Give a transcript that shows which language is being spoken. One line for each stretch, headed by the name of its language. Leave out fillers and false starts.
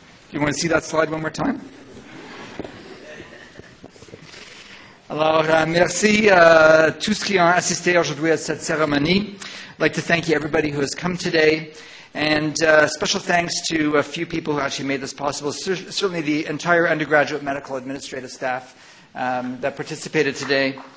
English: Do you want to see that slide one more time?
French: Alors, merci à tous qui ont assisté aujourd'hui à cette cérémonie.
English: I'd like to thank you, everybody who has come today. And special thanks to a few people who actually made this possible. Certainly the entire undergraduate medical administrative staff that participated today.